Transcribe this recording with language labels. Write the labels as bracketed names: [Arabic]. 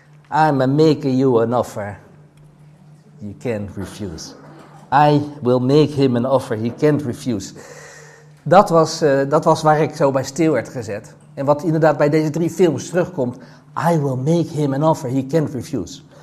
[English] I'm making you an offer you can't refuse. I will make him an offer he can't refuse. [Dutch] Dat was waar ik zo bij stil werd gezet. En wat inderdaad bij deze drie films terugkomt. [English] I will make him an offer he can't refuse.